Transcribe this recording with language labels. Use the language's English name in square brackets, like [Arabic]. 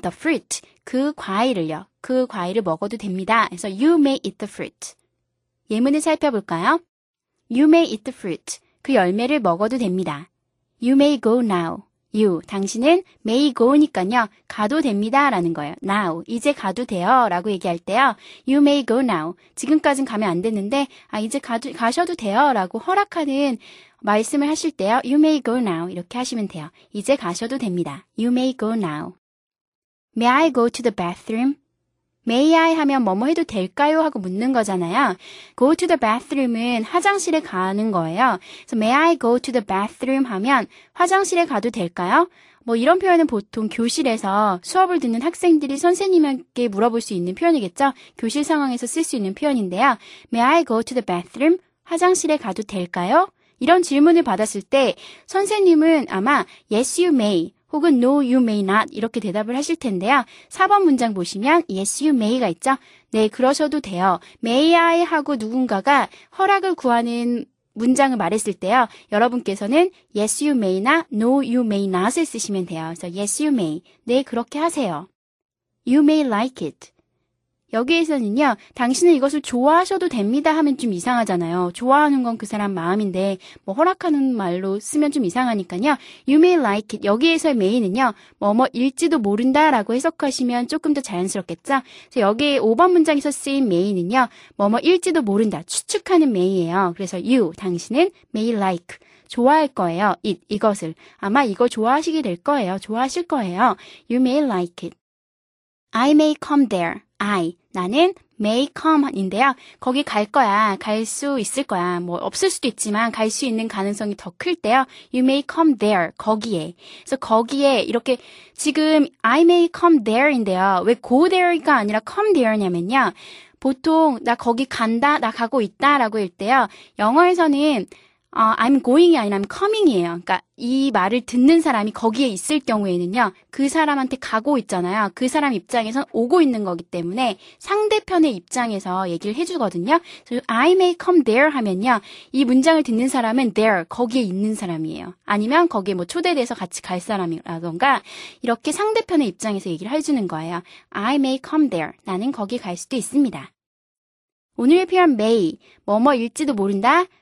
[English] The fruit, [Korean] 그 과일을요. 그 과일을 먹어도 됩니다. [English] 그래서 You may eat the fruit. [Korean] 예문을 살펴볼까요? [English] You may eat the fruit. [Korean] 그 열매를 먹어도 됩니다. [English] You may go now. You, [Korean] 당신은 [English] may go니까요. [Korean] 가도 됩니다. 라는 거예요. Now, 이제 가도 돼요. 라고 얘기할 때요. [English] You may go now. [Korean] 지금까지는 가면 안 됐는데 아 이제 가셔도 돼요. 라고 허락하는 말씀을 하실 때요. [English] You may go now. [Korean] 이렇게 하시면 돼요. 이제 가셔도 됩니다. [English] You may go now. May I go to the bathroom? [Korean] May I 하면 뭐뭐 해도 될까요? 하고 묻는 거잖아요. [English] Go to the bathroom [Korean] 은 화장실에 가는 거예요. [English] So may I go to the bathroom [Korean] 하면 화장실에 가도 될까요? 뭐 이런 표현은 보통 교실에서 수업을 듣는 학생들이 선생님에게 물어볼 수 있는 표현이겠죠? 교실 상황에서 쓸 수 있는 표현인데요. [English] May I go to the bathroom? [Korean] 화장실에 가도 될까요? 이런 질문을 받았을 때 선생님은 아마 [English] yes you may [Korean] 혹은 [English] no you may not [Korean] 이렇게 대답을 하실 텐데요. 4번 문장 보시면 [English] yes you may [Korean] 가 있죠. 네 그러셔도 돼요. may I 하고 누군가가 허락을 구하는 문장을 말했을 때요. 여러분께서는 [English] yes you may [Korean] 나 [English] no you may not [Korean] 을 쓰시면 돼요. 그래서 yes you may. 네 그렇게 하세요. [English] you may like it. [Korean] 여기에서는요. 당신은 이것을 좋아하셔도 됩니다 하면 좀 이상하잖아요. 좋아하는 건 그 사람 마음인데 뭐 허락하는 말로 쓰면 좀 이상하니까요. [English] You may like it. [Korean] 여기에서의 may는요. 뭐뭐일지도 모른다라고 해석하시면 조금 더 자연스럽겠죠. 그래서 여기에 5번 문장에서 쓰인 may는요. 뭐뭐일지도 모른다. 추측하는 may예요. [English] 그래서 you, [Korean] 당신은 [English] may like. [Korean] 좋아할 거예요. It, 이것을. 아마 이거 좋아하시게 될 거예요. 좋아하실 거예요. [English] You may like it. I may come there. I, [Korean] 나는 [English] may come인데요. [Korean] 거기 갈 거야. 갈 수 있을 거야. 뭐 없을 수도 있지만 갈 수 있는 가능성이 더 클 때요. [English] You may come there. 거기에. [Korean] 그래서 거기에 이렇게 지금 [English] I may come there [Korean] 인데요. 왜 [English] go there [Korean] 가 아니라 [English] come there [Korean] 냐면요. 보통 나 거기 간다, 나 가고 있다 라고 할 때요. 영어에서는 [English] I'm going [Korean] 이 아니라 [English] I'm coming [Korean] 이에요. 그러니까 이 말을 듣는 사람이 거기에 있을 경우에는요. 그 사람한테 가고 있잖아요. 그 사람 입장에선 오고 있는 거기 때문에 상대편의 입장에서 얘기를 해주거든요. [English] So, I may come there 하면요. [Korean] 이 문장을 듣는 사람은 there, 거기에 있는 사람이에요. 아니면 거기에 뭐 초대돼서 같이 갈 사람이라던가 이렇게 상대편의 입장에서 얘기를 해주는 거예요. [English] I may come there. [Korean] 나는 거기 갈 수도 있습니다. 오늘의 표현 may, 뭐뭐일지도 모른다.